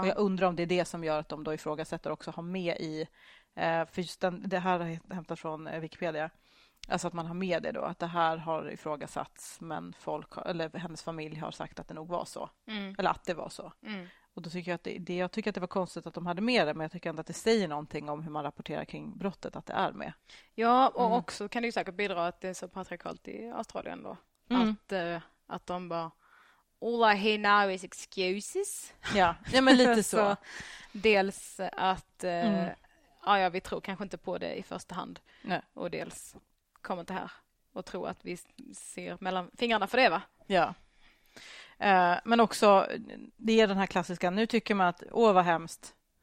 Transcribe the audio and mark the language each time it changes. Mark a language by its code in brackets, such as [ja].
[sv] Och jag undrar om det är det som gör att de då ifrågasätter också ha med i, för just den, det här har jag hämtat från Wikipedia, alltså att man har med det då, att det här har ifrågasatts, men folk, eller hennes familj har sagt att det nog var så. Mm. Eller att det var så. Mm. Och då tycker jag att det, jag tycker att det var konstigt att de hade med det, men jag tycker ändå att det säger någonting om hur man rapporterar kring brottet att det är med. Ja, och också kan det ju säkert bidra att det är så patriarkalt i Australien då. Mm. Att de bara, [en] all I hear now is excuses. [sv] Ja, ja men lite så. Dels att vi tror kanske inte på det i första hand. Nej. Och dels kommer det här och tror att vi ser mellan fingrarna för det, va? Ja. Men också, det är den här klassiska, nu tycker man att, åh vad hemskt.